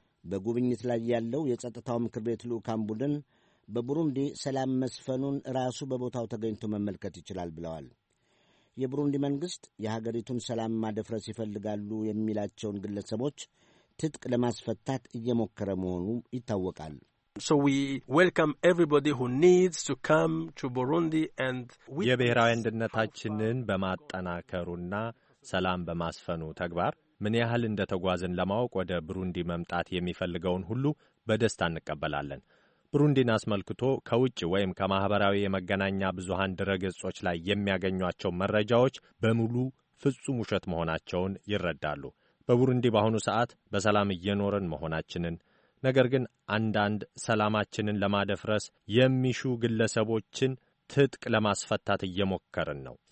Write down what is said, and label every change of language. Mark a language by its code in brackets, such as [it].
[am] በጉብኝት ላይ ያለው የጸጥታው ምክር ቤት ልዑካን ቡድን በቡሩንዲ ሰላም መስፈኑን ራሱ በቦታው ተገኝቶ መመልከት ይችላል ብለዋል። የቡሩንዲ መንግሥት የሀገሪቱን ሰላም ማደፍረስ ይፈልጋሉ የሚላቸውን ግለሰቦች ትጥቅ ለማስፈታት እየሞከረ መሆኑ ይታወቃል። [en] So we welcome everybody who needs to come to Burundi and with [am] የብሔራዊ አንድነታችንን በማጠናከሩና ሰላም በማስፈኑ ተግባር ምን ያህል እንደተጓዘን ለማወቅ ወደ ቡሩንዲ መምጣት የሚፈልገውን ሁሉ በደስታ እንቀበላለን። ቡሩንዲን አስመልክቶ ከውጭ ወይም ከማህበራዊ የመገናኛ ብዙሃን ድረገጾች ላይ የሚያገኙአቸው መረጃዎች በሙሉ ፍጹም ውሸት መሆናቸውን ይረዳሉ። በቡሩንዲ በአሁኑ ሰዓት በሰላም እየኖርን መሆናችንን ነገር ግን አንዳንድ ሰላማችንን ለማደፍረስ የሚሹ ግለሰቦችን ትጥቅ ለማስፈታት እየሞከረን ነው።